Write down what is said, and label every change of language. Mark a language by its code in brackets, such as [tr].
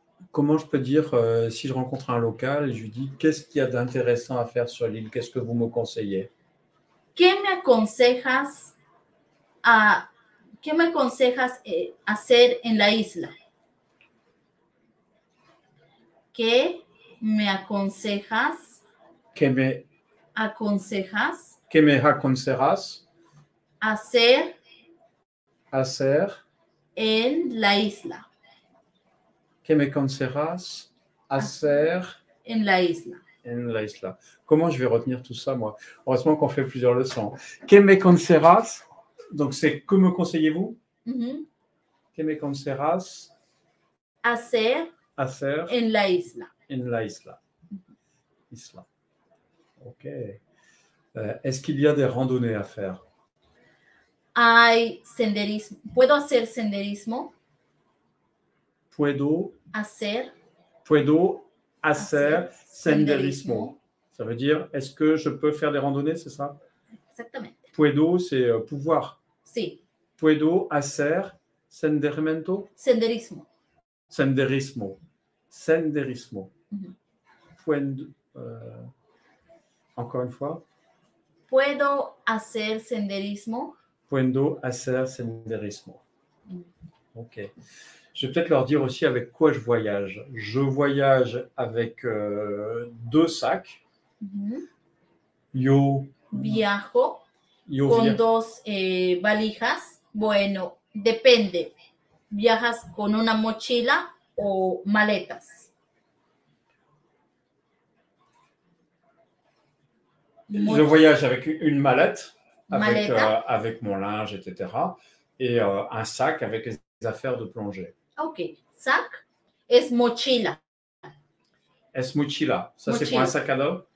[fr] Comment je peux dire, si je rencontre un local, je lui dis, qu'est-ce qu'il y a d'intéressant à faire sur l'île? Qu'est-ce que vous me conseillez? [es] ¿Qué me aconsejas a, qué me aconsejas hacer en la isla? ¿Qué me aconsejas? ¿Qué me aconsejas? ¿Qué me aconsejas? Hacer. Hacer. En la isla. ¿Qué me aconsejas hacer en la isla? En la isla. [fr] Comment je vais retenir tout ça, moi? Heureusement qu'on fait plusieurs leçons. [es] ¿Qué me aconsejas? [fr] Donc, c'est que me conseillez-vous? [es] ¿Qué me aconsejas hacer, hacer en la isla? En la isla. Isla. Ok. [fr] Est-ce qu'il y a des randonnées à faire? [es] Hay senderismo. ¿Puedo hacer senderismo? Puedo hacer. Puedo hacer senderismo. [fr] Ça veut dire, est-ce que je peux faire des randonnées, c'est ça? Exactement. Puedo, c'est pouvoir. [es] Sí. Puedo hacer senderimento? Senderismo. Senderismo. Senderismo. Puedo. [fr] Encore une fois. [es] Puedo hacer senderismo. Puedo hacer senderismo. Ok. [fr] Je vais peut-être leur dire aussi avec quoi je voyage. Je voyage avec deux sacs. [es] Yo viajo yo con dos valijas. Bueno, depende. ¿Viajas con una mochila o maletas? [fr] Je voyage avec une mallette, [es] maleta. [fr] Avec mon linge, etc. Et un sac avec les affaires de plongée. [es] Ok, sac es mochila. Es mochila. [fr] Ça, mochila. C'est pour un sac à dos.